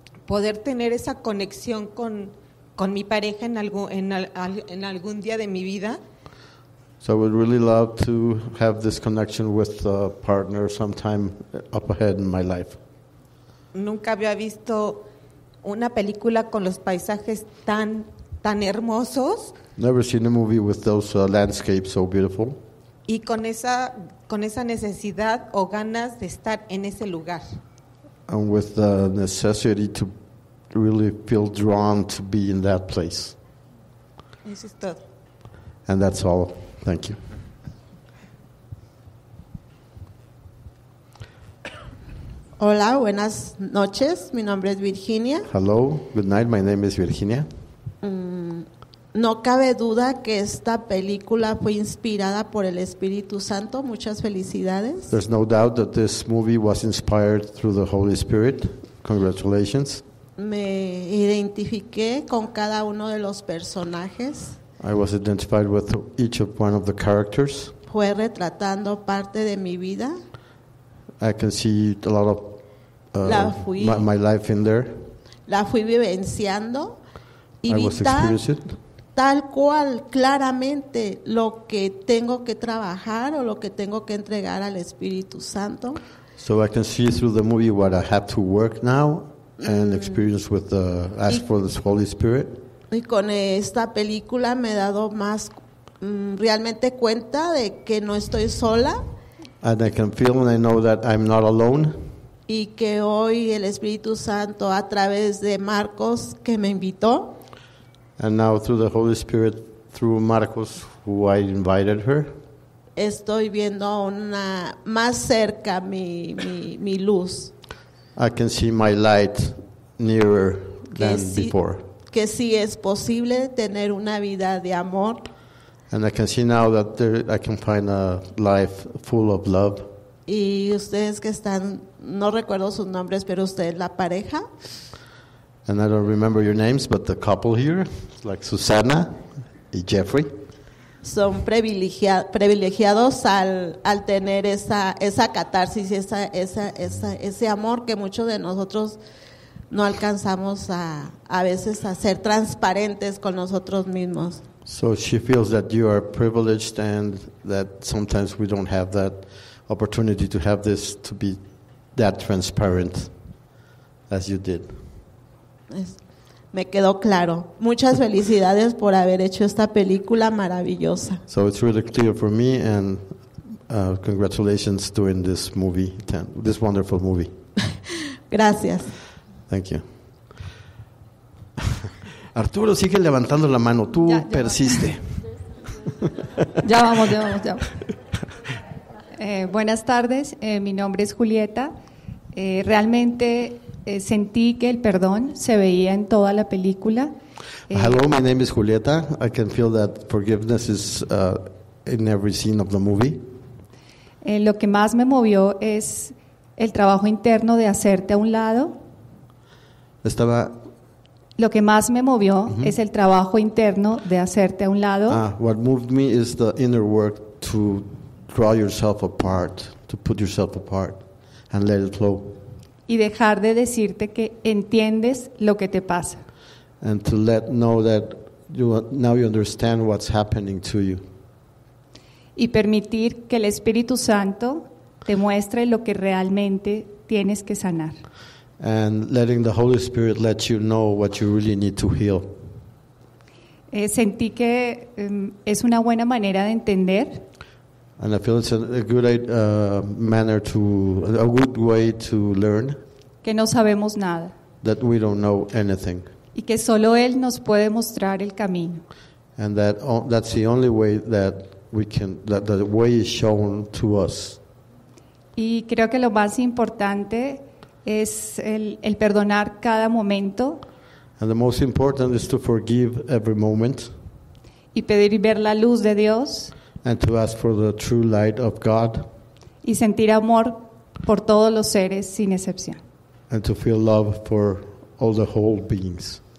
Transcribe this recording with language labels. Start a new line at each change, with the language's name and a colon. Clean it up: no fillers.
Spanish: poder tener esa conexión con mi pareja en algún día de mi vida.
English: So I would really love to have this connection with a partner sometime up ahead in my life.
Spanish: Nunca había visto una película con los paisajes tan hermosos.
English: Never seen a movie with those landscapes so beautiful.
Spanish: Y con esa necesidad o ganas de estar en ese lugar.
English: And with the necessity to really feel drawn to be in that place.
Spanish: Eso es todo.
English: And that's all. Thank you.
Spanish: Hola, buenas noches. Mi nombre es Virginia.
English: Hello, good night. My name is Virginia.
Spanish: No cabe duda que esta película fue inspirada por el Espíritu Santo. Muchas felicidades.
English: There's no doubt that this movie was inspired through the Holy Spirit. Congratulations.
Spanish: Me identifiqué con cada uno de los personajes.
English: I was identified with each of one of the characters.
Spanish: Fue retratando parte de mi vida.
English: I can see a lot of my life in there.
Spanish: La fui vivenciando.
English: I was experiencing.
Spanish: Tal cual, claramente, lo que tengo que trabajar o lo que tengo que entregar al Espíritu Santo.
English: So I can see through the movie what I have to work now and experience with the ask for this Holy Spirit.
Spanish: Y con esta película me he dado más realmente cuenta de que no estoy sola.
English: And I can feel and I know that I'm not alone.
Spanish: Y que hoy el Espíritu Santo a través de Marcos que me invitó.
English: And now through the Holy Spirit, through Marcos, who I invited her.
Spanish: Estoy viendo una más cerca mi luz.
English: I can see my light nearer than before.
Spanish: Que sí es posible tener una vida de amor.
English: And I can see now that I can find a life full of love.
Spanish: Y ustedes que están, no recuerdo sus nombres, pero usted la pareja.
English: And I don't remember your names, but the couple here, like Susana y Jeffrey.
Spanish: Son privilegiados al tener esa catarsis, ese amor que muchos de nosotros no alcanzamos a veces a ser transparentes con nosotros mismos.
English: So she feels that you are privileged and that sometimes we don't have that opportunity to have this to be that transparent as you did.
Spanish: Me quedó claro. Muchas felicidades por haber hecho esta película maravillosa.
English: So it's really clear for me and congratulations doing this movie, this wonderful movie.
Spanish: Gracias.
English: Thank you.
Spanish: Arturo sigue levantando la mano. Tú ya, ya persiste. Ya vamos, ya vamos, ya vamos. Buenas tardes. Mi nombre es Julieta. Realmente sentí que el perdón se veía en toda la película.
English: Hello, my name is Julieta. I can feel that forgiveness is in every scene of the movie.
Spanish: Lo que más me movió es el trabajo interno de hacerte a un lado. Estaba. Lo que más me movió uh-huh. es el trabajo interno de hacerte a un lado.
English: What moved me is the inner work to draw yourself apart, to put yourself apart, and let it flow.
Spanish: Y dejar de decirte que entiendes lo que te pasa.
English: And to let know that you now you understand what's happening to you.
Spanish: Y permitir que el Espíritu Santo te muestre lo que realmente tienes que sanar.
English: And letting the Holy Spirit let you know what you really need to heal.
Spanish: Sentí que es una buena manera de entender.
English: And I feel it's a good manner to a good way to learn.
Spanish: Que no sabemos nada.
English: That we don't know anything.
Spanish: Y que solo él nos puede mostrar el camino.
English: And that's the only way that we can that the way is shown to us.
Spanish: Y creo que lo más importante es el perdonar cada momento.
English: And the most important is to forgive every moment.
Spanish: Y pedir y ver la luz de Dios.
English: And to ask for the true light of God.
Spanish: Y sentir amor por todos los seres sin excepción.
English: And to feel love for all the whole beings.